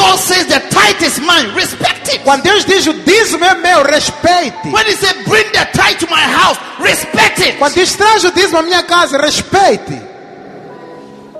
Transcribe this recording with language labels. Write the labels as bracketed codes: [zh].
[en] When God says the tithe is mine, respect. [pt] Quando Deus diz o dízimo é meu, respeite. [en] When he said bring the tithe to my house, respect it. [pt] Quando Deus traz o dízimo à minha casa, respeite.